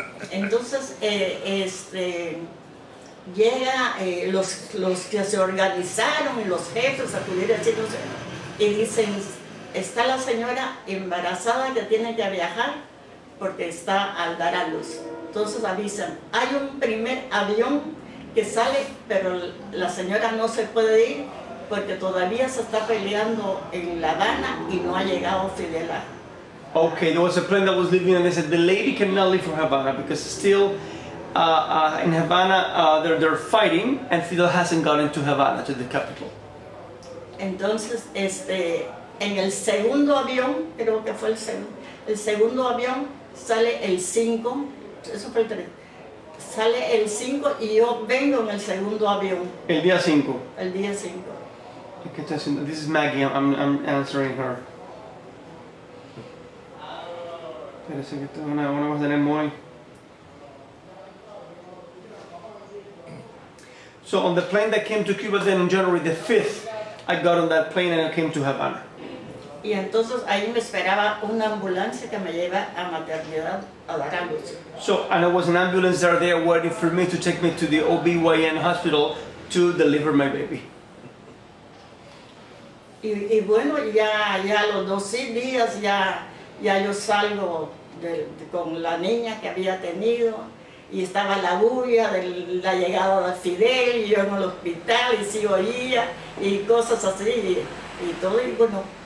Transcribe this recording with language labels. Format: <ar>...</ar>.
<es>Entonces, llega los que se organizaron, los jefes, acudieron, y dicen, está la señora embarazada que tiene que viajar porque está al dar a luz. Entonces avisan, hay un primer avión que sale, pero la señora no se puede ir porque todavía se está peleando en La Habana y no ha llegado Fidel.</es> <en>Okay, there was a plane that was leaving and they said the lady cannot leave from Havana because still in Havana they're fighting and Fidel hasn't gotten to Havana, to the capital.</en> <es>Entonces, en el segundo avión, creo que fue el segundo avión sale el 5, eso fue el 3, sale el 5 y yo vengo en el segundo avión. El día 5. El día 5.</es> <en>This is Maggie, I'm answering her.</en> <es>Parece que esto es una voz de Nemoy.</es> <en>So on the plane that came to Cuba then on January the 5th, I got on that plane and I came to Havana.</en> <es>Y entonces ahí me esperaba una ambulancia que me lleva a maternidad a dar a luz.</es> <en>So, and there was an ambulance that there waiting for me to take me to the OBYN hospital to deliver my baby.</en> <es>Y bueno, ya los 12 días ya yo salgo con la niña que había tenido y estaba la bulla de la llegada de Fidel y yo en el hospital y sigo oía y cosas así y todo y bueno.</es>